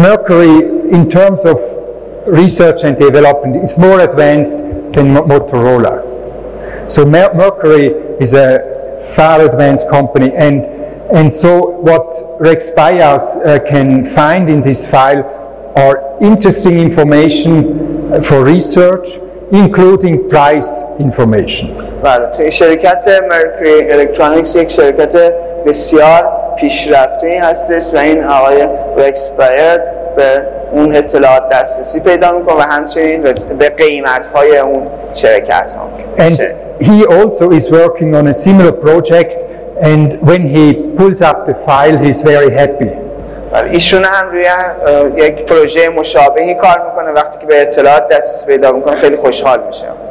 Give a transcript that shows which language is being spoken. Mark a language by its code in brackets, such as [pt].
[en] Mercury, in terms of research and development, is more advanced than Motorola. So Mercury is a far advanced company. And so what Rex Bayaus can find in this file are interesting information for research, including price information. [fa] بله، توی شرکت مرکری الکترونیکس یک شرکت بسیار پیشرفته هستش و این آقای رکس بایرد به اون اطلاعات دسترسی پیدا میکنه و همچنین به قیمت های اون شرکت ها. [en] And he also is working on a similar project, and when he pulls up the file he's very happy. [fa] ایشون هم روی یک پروژه مشابهی کار میکنه، وقتی که به اطلاعات دسترسی پیدا میکنه خیلی خوشحال میشه.